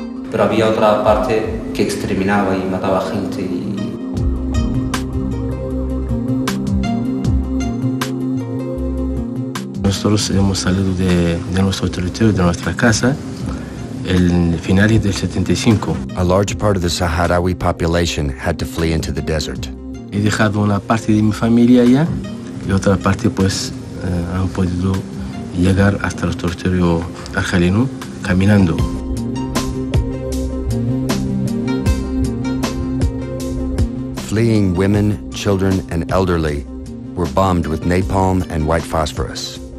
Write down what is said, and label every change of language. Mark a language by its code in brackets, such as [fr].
[es] Pero había otra parte que exterminaba y mataba gente. Nosotros hemos salido de nuestro territorio, de nuestra casa, en finales del 75. [en] A large part of the Sahrawi population had to flee into the desert. [es] He dejado una parte de mi familia allá y otra parte pues han podido llegar hasta el territorio argelino caminando. [en] Fleeing women, children, and elderly were bombed with napalm and white phosphorus.